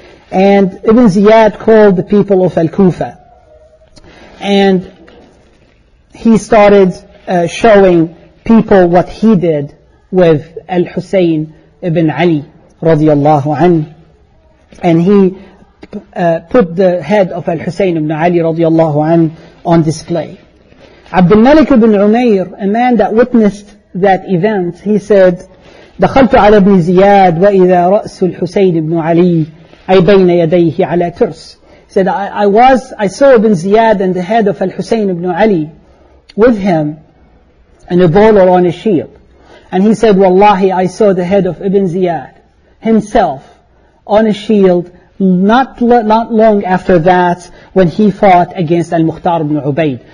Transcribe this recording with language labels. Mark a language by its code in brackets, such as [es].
[en] And Ibn Ziyad called the people of Al-Kufa, and he started showing people what he did with Al-Husayn ibn Ali radiallahu anhu. And he put the head of Al-Husayn ibn Ali radiallahu anhu on display. Abd al-Malik ibn Umayr, a man that witnessed that event, he said, [ar] دخلت على ابن زياد وإذا رأس الحسين بن علي أي بين يديه على ترس. [en] He said, I saw Ibn Ziyad and the head of Al-Husayn ibn Ali with him in a bowl or on a shield. And he said, wallahi, I saw the head of Ibn Ziyad himself on a shield not long after that when he fought against Al-Mukhtar ibn Ubayd.